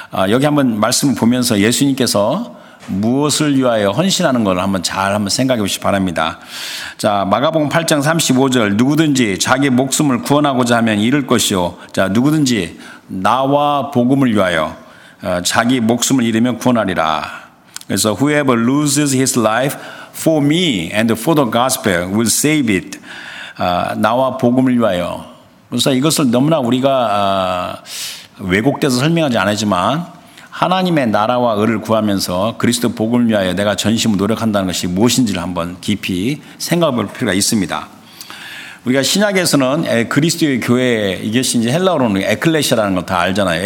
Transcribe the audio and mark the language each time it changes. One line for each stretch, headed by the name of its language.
Korean: 여기 한번 말씀을 보면서 예수님께서 무엇을 위하여 헌신하는 걸 한번 잘 한번 생각해 보시기 바랍니다. 자, 마가복음 8장 35절 누구든지 자기 목숨을 구원하고자 하면 잃을 것이요. 자, 누구든지 나와 복음을 위하여 자기 목숨을 잃으면 구원하리라.
English: 그래서 whoever loses his life for me and for the gospel will save it.
Korean: 나와 복음을 위하여. 그래서 이것을 너무나 우리가 왜곡돼서 설명하지 않았지만 하나님의 나라와 의를 구하면서 그리스도 복음을 위하여 내가 전심으로 노력한다는 것이 무엇인지를 한번 깊이 생각해 볼 필요가 있습니다. 우리가 신약에서는 그리스도의 교회 이것이 이제 헬라어로는 에클레시아라는 걸 다 알잖아요.